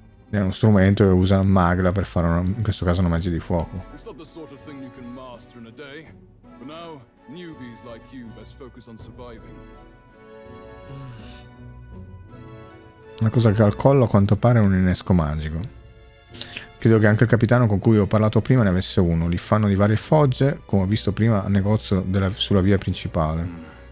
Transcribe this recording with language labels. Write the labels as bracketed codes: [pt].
[it] È uno strumento che usa magla per fare, una, in questo caso, una magia di fuoco. [en] It's not the sort of thing you can master in a day. For now, newbies like you best focus on surviving. [it] Una cosa che al collo, a quanto pare, è un innesco magico. Credo che anche il capitano con cui ho parlato prima ne avesse uno. Li fanno di varie fogge, come ho visto prima al negozio della, sulla via principale.